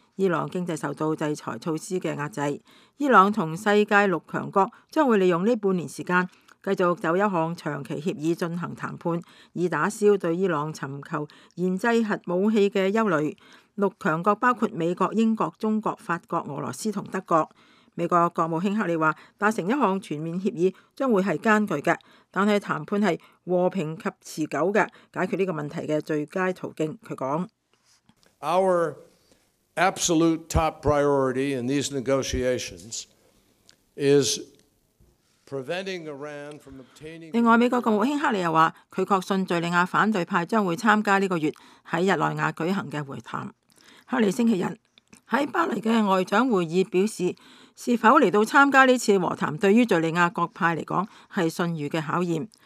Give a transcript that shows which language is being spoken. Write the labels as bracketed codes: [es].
[zh] 伊朗经济受到制裁措施的压制，伊朗和世界六强国将会利用这半年时间继续就一项长期协议进行谈判，以打消对伊朗寻求研制核武器的忧虑。六强国包括美国、英国、中国、法国、俄罗斯和德国。美国国务卿克里说，达成一项全面协议将会是艰巨的，但是谈判是和平及持久的解决这个问题的最佳途径。他说 [en] Our absolute top priority in these negotiations is preventing Iran from obtaining。 [zh] 另外美国国务卿克里又说，他确信叙利亚反对派将会参加这个月在日内瓦举行的会谈。克里星期日在巴黎的外长会议表示，是否来到参加这次和谈对于叙利亚各派来讲是信誉的考验。